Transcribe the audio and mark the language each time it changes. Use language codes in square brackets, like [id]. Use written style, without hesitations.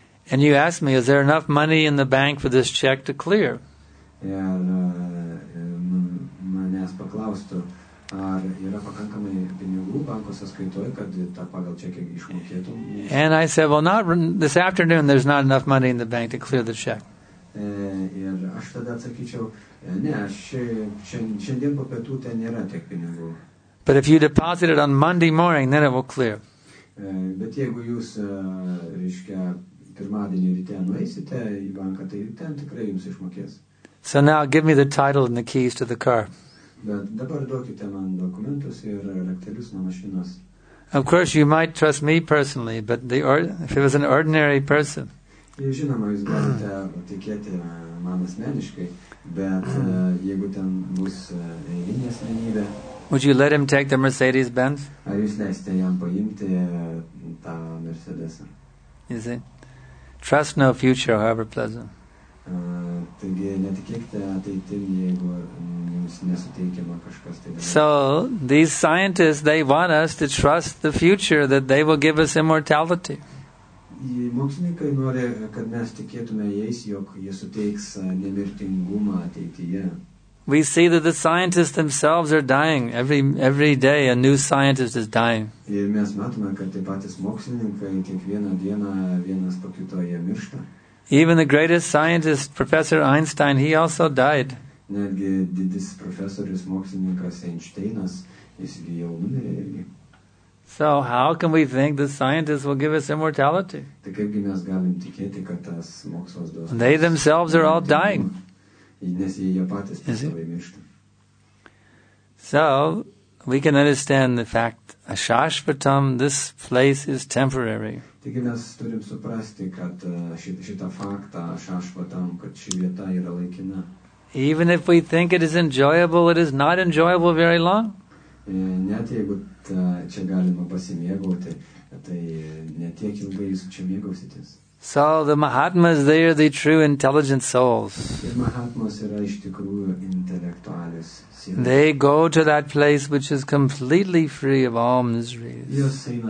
[en] And you ask me, is there enough money in the bank for this check to clear? [lt] Ir manęs paklaustų, ar yra pakankamai pinigų banko sąskaitoje, kad tą pagal čekį išmokėtų? [en] And I said, well, not this afternoon, there's not enough money in the bank to clear the check. [lt] Ir aš tada atsakyčiau, ne, šiandien po pietų ten nėra tiek pinigų. [en] But if you deposit it on Monday morning, then it will clear. [lt] Bet jeigu jūs, reiškia, pirmadienį ryte nueisite į banką, tai ten tikrai jums išmokės. [en] So now give me the title and the keys to the car. [lt] Bet dabar duokite man dokumentus ir raktelius nuo mašinos. [en] Of course, you might trust me personally, but if it was an ordinary person, [lt] žinoma, jūs galite tikėti man asmeniškai, bet jeigu ten bus eilinė asmenybė, [en] would you let him take the Mercedes-Benz? [lt] Ar jūs leisite jam paimti tą Mercedes'ą? [en] You see? Trust no future, however pleasant. [lt] Taigi, netikėkite ateitim, jeigu jums nesuteikiama kažkas. [en] So, these scientists, they want us to trust the future that they will give us immortality. [lt] Mokslininkai nori, kad mes tikėtume jais, jog jie suteiks nemirtingumą ateityje. [en] We see that the scientists themselves are dying. Every day a new scientist is dying. [lt] Ir mes matome, kad tie patys mokslininkai kiekvieną dieną vienas po kito jie miršta. [en] Even the greatest scientist, Professor Einstein, he also died. [lt] Netgi didis profesorius mokslininkas Einšteinas, jis jau numirė irgi. [en] So how can we think the scientists will give us immortality? [lt] Tai kaipgi mes galim tikėti, kad tas mokslas duos. [en] They themselves are all dying. [lt] Nes jie patys pas savai miršta. [en] So we can understand the fact, Ashashvatam, this place is temporary. [lt] Taigi mes turim suprasti, kad šitą faktą šašvą tam, kad ši vieta yra laikina. [en] Even if we think it is not enjoyable very long. [lt] Net jeigu čia galima pasimėgauti, tai ne tiek ilgai jūs čia mėgausitės. [en] So the Mahatmas, they are the true intelligent souls. They go to that place which is completely free of all miseries.